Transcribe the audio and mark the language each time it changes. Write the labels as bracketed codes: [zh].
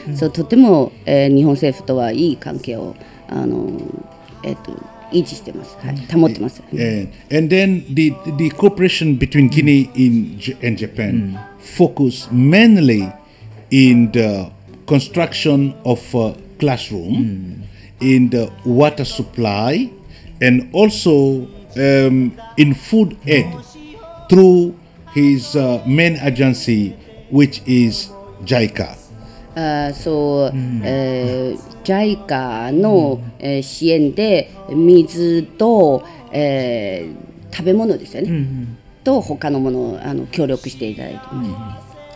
[ja] So, とても、日本政府とはいい関係を維持してます。はい、保ってます。 [en] And then the cooperation between Guinea and Japan focus mainly in the construction of a classroom, in the water supply. And also in food aid through his main agency, which is JICA. [ja] JICA の支援で水と食べ物ですよね。と他のものを協力していただいています。